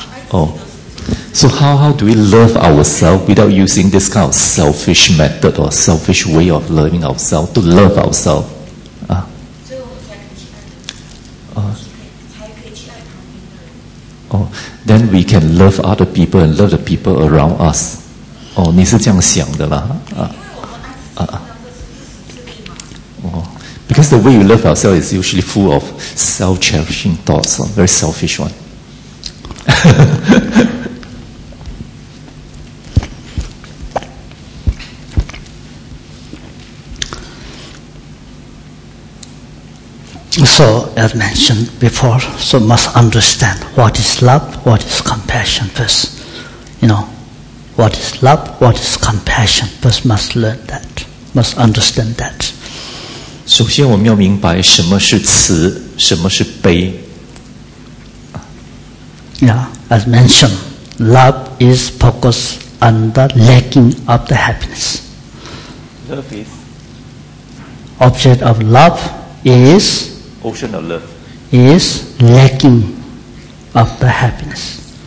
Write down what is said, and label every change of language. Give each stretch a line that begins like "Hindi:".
English: Oh, so how do we love ourselves without using this kind of selfish method or selfish way of loving ourselves to love ourselves? 啊，哦 ，then we can love other people and love the people around us.
Chinese: 哦、oh, ，你是这样想的啦？啊。
English: Because the way we love ourselves is usually full of self-cherishing thoughts, a very selfish one. So, as mentioned before, so must understand what is love, what is compassion first. You know, what is love, what is compassion first, must learn that, must understand that.
Chinese: 首先我们要明白什么是慈，什么是悲。
English: Yeah, as mentioned, love is focused on the lacking of the happiness. Love is object of love is ocean of love is lacking of the happiness.